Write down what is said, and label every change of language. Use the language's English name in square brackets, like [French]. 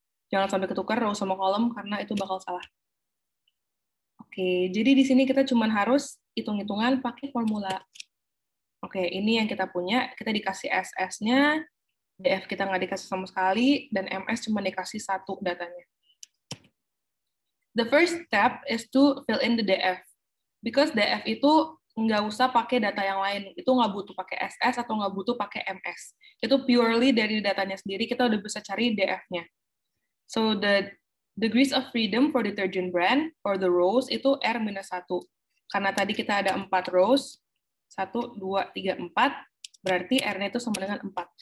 [Indonesian] Jangan sampai ketukar row sama kolom karena itu bakal salah. Oke, jadi di sini kita cuma harus hitung-hitungan pakai formula. Oke, ini yang kita punya. Kita dikasih SS-nya, DF kita nggak dikasih sama sekali, dan MS cuma dikasih 1 datanya. [English] The first step is to fill in the DF. Because [Indonesian] DF itu nggak usah pakai data yang lain. Itu nggak butuh pakai SS atau nggak butuh pakai MS. Itu purely dari datanya sendiri, kita udah bisa cari DF-nya. [English] So the degrees of freedom for detergent brand for the rows itu R minus 1. [Indonesian] Karena tadi kita ada 4 rows, 1, 2, 3, 4, berarti R-nya itu sama dengan 4.